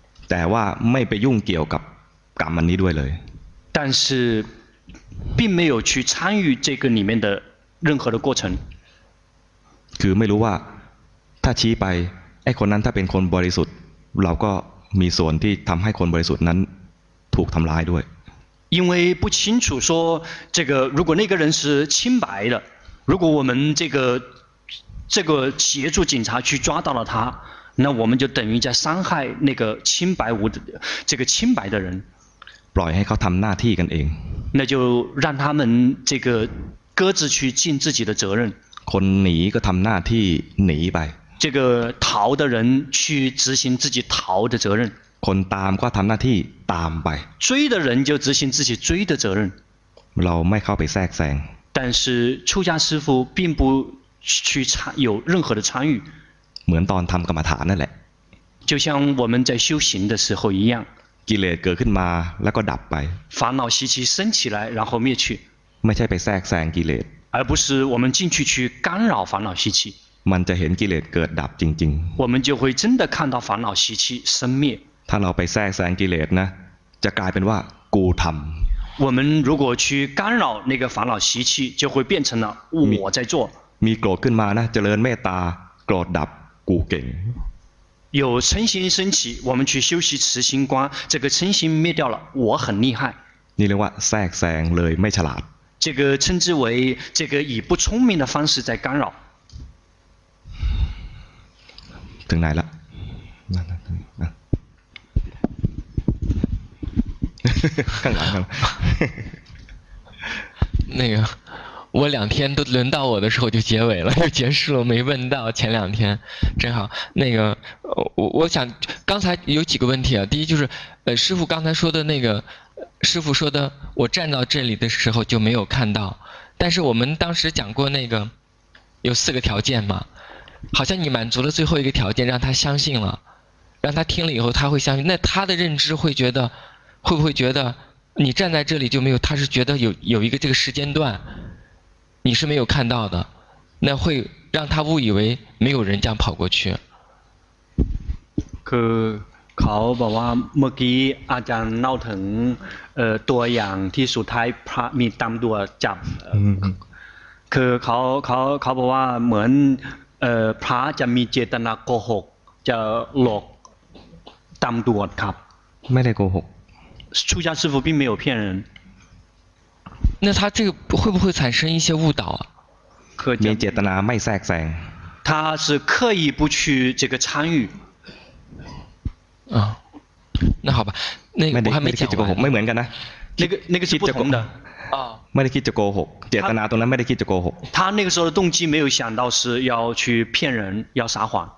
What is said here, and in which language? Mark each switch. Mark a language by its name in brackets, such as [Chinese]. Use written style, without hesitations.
[Thai] แต่ว่าไม่ไปยุ่งเกี่ยวกับกรรมอันนี้ด้วยเลย [Chinese] 但是并没有去参与这个里面的任何的过程 [Thai] คือไม่รู้ว่าถ้าชี้ไปไอ้คนนั้นถ้าเป็นคนบริสุทธิ์เราก็มีส่วนที่ทำให้คนบริสุทธิ์นั้นถูกทำร้ายด้วย [Chinese] 因为不清楚说这个如果那个人是清白的如果我们这个协助警察去抓到了他那我们就等于在伤害那个清白无的这个清白的人 [Thai] ปล่อยให้เขาทำหน้าที่กันเอง [Chinese] 那就让他们这个各自去尽自己的责任 [Thai] คนหนีก็ทำหน้าที่หนีไป [Chinese] 这个逃的人去执行自己逃的责任 [Thai] คนตามก็ทำหน้าที่ตามไป [Chinese] 追的人就执行自己追的责任 [Thai] เราไม่เข้าไปแทรกแซง [Chinese] 但是出家师父并不去有任何的参与 [Thai] เหมือนตอนทำกรรมฐานนั่นแหละ [Chinese] 就像我们在修行的时候一样 [Thai] กิเลสเกิดขึ้นมาแล้วก็ดับไป [Chinese] 烦恼习气升起来然后灭去 [Thai] ไม่ใช่ไปแทรกแซงกิเลส [Chinese] 而不是我们进去干扰烦恼习气 [Thai] มันจะเห็นกิเลสเกิดดับจริง [Chinese] ๆ我们就会真的看到烦恼习气生灭 [Thai] ถ้าเราไปแทรกแซงกิเลสนะจะกลายเป็นว่ากูทำ [Chinese] 我们如果去干扰那个烦恼习气就会变成了我在做 [Thai] มีโกรธขึ้นมานะเจริญเมตตาโกรธดับกูเก่ง [Chinese] 有嗔心升起我们去修习慈心观这个嗔心灭掉了我很厉害 [Thai] นี่เรียกว่าแทรกแซงเลยไม่ฉลาด [Chinese] 这个称之为这个以不聪明的方式在干扰 [Thai] ถึงไหนละข้างหลังข้างหลั [Chinese] ง那个我两天都轮到我的时候就结尾了，就结束了，没问到前两天，正好那个，我想刚才有几个问题啊。第一就是，师父刚才说的那个，师父说的，我站到这里的时候就没有看到，但是我们当时讲过那个，有四个条件嘛，好像你满足了最后一个条件，让他相信了，让他听了以后他会相信，那他的认知会觉得，会不会觉得你站在这里就没有？他是觉得有一个这个时间段。你是没有看到的，那会让他误以为没有人这样跑过去。 [Thai] คือเขาบอกว่าเมื่อกี้อาจารย์เล่าถึงตัวอย่างที่สุดท้ายพระมีตำรวจจับคือเขาบอกว่าเหมือนพระจะมีเจตนาโกหกจะหลอกตำรวจครับ ไม่ได้โกหก [Chinese] 出家师父并没有骗人那他这个会不会产生一些误导啊？没有解答呢，没塞塞。他是刻意不去这个参与。啊，那好吧，那个、我还没讲完。 [Thai] 没เหมือนกันนะ。 [Chinese] 那个是不同的。啊。没得去就โกหก，解答呢，ตรงนั้น没得去就โกหก。他那个时候的动机没有想到是要去骗人，要撒谎。